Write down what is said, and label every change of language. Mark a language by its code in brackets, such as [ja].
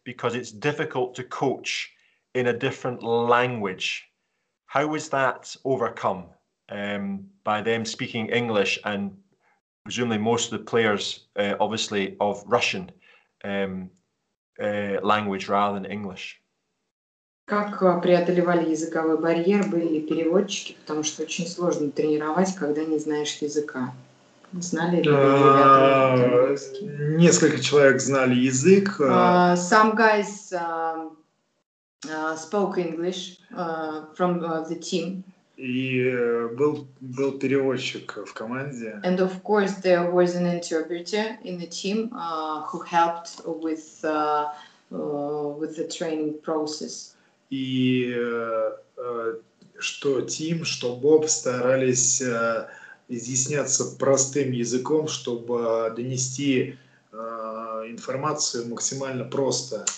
[en] Because it's difficult to coach in a different language. How was that overcome by them speaking English and presumably most of the players, obviously, of Russian language rather than English? [ru] Как преодолевали языковой барьер, были переводчики, потому что очень сложно тренировать, когда не знаешь языка. Знали ли ребята? Несколько человек знали язык. [en] Some guys spoke English from the team. [ru] И был переводчик в команде. [en] And of course there was an interpreter in the team who helped with the training process. [ru] И что Тим, что Боб старались изъясняться простым языком, чтобы донести информацию максимально просто.